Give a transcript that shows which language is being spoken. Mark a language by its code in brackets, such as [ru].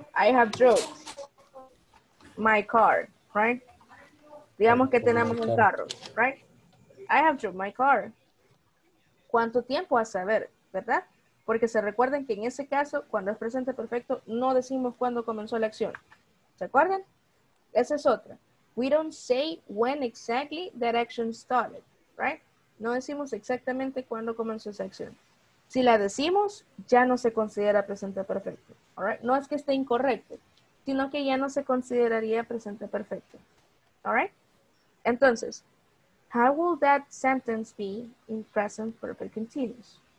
[en] I have drove my car, right? [es] Digamos que tenemos un carro, [en] right? I have drove my car. [es] ¿Cuánto tiempo a saber, verdad? Porque se recuerden que en ese caso, cuando es presente perfecto, no decimos cuándo comenzó la acción. ¿Se acuerdan? Esa es otra. [en] We don't say when exactly that action started. [es] Right? No decimos exactamente cuándo comenzó esa acción. Si la decimos, ya no se considera presente perfecto. [en] All right? [es] No es que esté incorrecto, sino que ya no se consideraría presente perfecto. [en] All right? Entonces, how will that sentence be in present perfect continuous?